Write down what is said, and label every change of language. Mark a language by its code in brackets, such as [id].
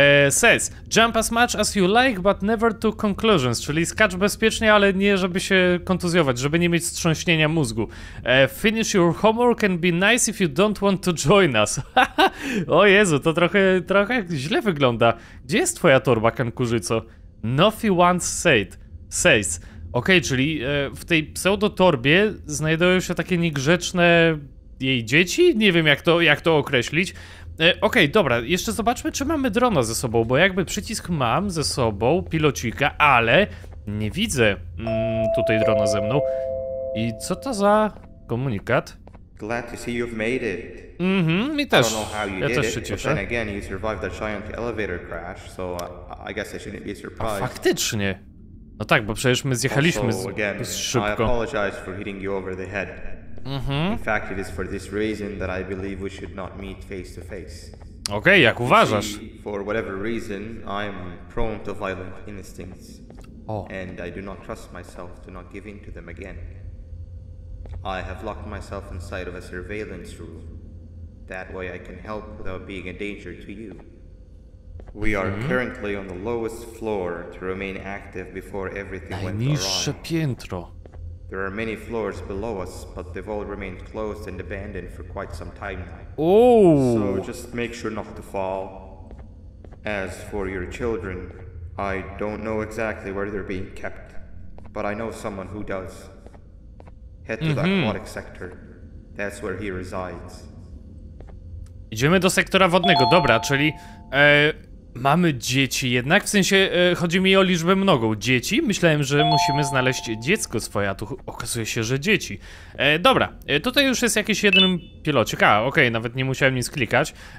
[en] Says, jump as much as you like, but never to conclusions. [pl] Czyli skacz bezpiecznie, ale nie żeby się kontuzjować, żeby nie mieć wstrząśnienia mózgu. [en] Finish your homework and be nice if you don't want to join us. [pl] O Jezu, to trochę źle wygląda. Gdzie jest twoja torba, kankurzyco? [en] Nofi once said. Says. [pl] Okej, czyli w tej pseudotorbie znajdują się takie niegrzeczne jej dzieci? Nie wiem jak to określić. Okej, dobra, jeszcze zobaczmy czy mamy drona ze sobą, bo jakby przycisk mam ze sobą, pilocika, ale nie widzę tutaj drona ze mną. I co to za komunikat? [en] Glad to see you've made it. [pl] Mi też. Ja też się cieszę. [en] But then again, you survived the giant elevator crash, so I guess I shouldn't be surprised. [pl] A faktycznie. No tak, bo przecież my zjechaliśmy szybko. [en] I apologize for hitting you over the head. In fact, it is for this reason that I believe we should not meet face to face. [pl] Okej, jak uważasz? [en] For whatever reason, I'm prone to violent instincts. Oh. And I do not trust myself to not give in to them again. I have locked myself inside of a surveillance room. That way I can help without being a danger to you. We are currently on the lowest floor to remain active before everything went awry. [pl] Najniższe piętro. [en] There are many floors below us, but they've all remained closed and abandoned for quite some time now. Oh. So just make sure not to fall. As for your children, I don't know exactly where they're being kept, but I know someone who does. Head to the aquatic sector. That's where he resides. [pl] Idziemy do sektora wodnego, dobra, czyli mamy dzieci jednak, w sensie chodzi mi o liczbę mnogą. Dzieci? Myślałem, że musimy znaleźć dziecko swoje, a tu okazuje się, że dzieci. Dobra, tutaj już jest jakiś jeden pilocik. A, okej, nawet nie musiałem nic klikać.